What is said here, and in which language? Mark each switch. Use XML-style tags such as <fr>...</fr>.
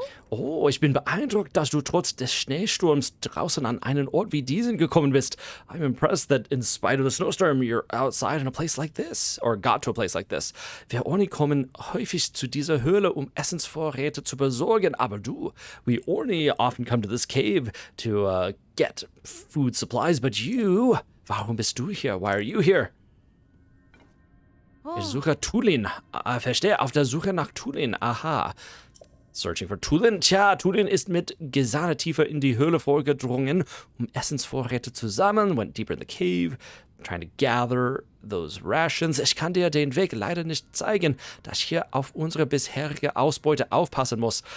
<de>Oh, ich bin beeindruckt, dass du trotz des Schneesturms draußen an einen Ort wie diesen gekommen bist.</de> <en>I'm impressed that in spite of the snowstorm you're outside in a place like this, or got to a place like this.</en> <de>Wir Orni kommen häufig zu dieser Höhle, um Essensvorräte zu besorgen, aber du,</de> <en>we Orni often come to this cave to get food supplies, but you,</en> <de>warum bist du hier?</de> <en>Why are you here? Huh?</en> <de>Ich suche Tulin. Verstehe, auf der Suche nach Tulin. Aha.</de> <en>Searching for Tulin.</en> <de>Tja, Tulin ist mit Gesane tiefer in die Höhle vorgedrungen, um Essensvorräte zu sammeln.</de> <en>Went deeper in the cave, trying to gather those rations.</en> <de>Ich kann dir den Weg leider nicht zeigen, da ich hier auf unsere bisherige Ausbeute aufpassen muss.</de>